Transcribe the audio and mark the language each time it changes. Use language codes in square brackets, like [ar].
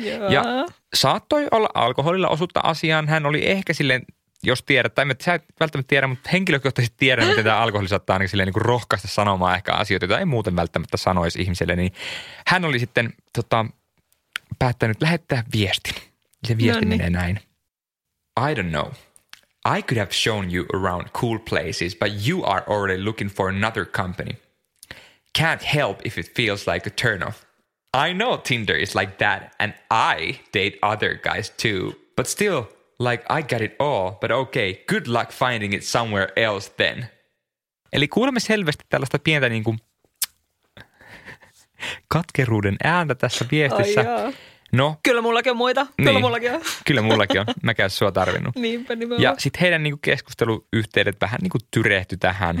[fi] Ja saattoi olla alkoholilla osuutta asiaan. Hän oli ehkä silleen, jos tiedät, tai sä et välttämättä tiedä, mutta henkilökohtaisesti tiedä, miten tämä alkoholi saattaa ainakin silleen niin kuin rohkaista sanomaan ehkä asioita, joita ei muuten välttämättä sanoisi ihmiselle. Niin hän oli sitten päättänyt lähettää viestin. Se viesti menee näin. [en] I don't know. I could have shown you around cool places, but you are already looking for another company. Can't help if it feels like a turnoff. I know Tinder is like that, and I date other guys too. But still, like, I got it all, but okay, good luck finding it somewhere else then. [fi] Eli kuulemme selvästi tällaista pientä niin kuin katkeruuden ääntä tässä viestissä. No. Kyllä mullakin on muita. Niin. Kyllä mullakin on. Mäkään sua tarvinnut. Niinpä nimenomaan. Ja sitten heidän niinku keskusteluyhteydet vähän niinku tyrehty tähän.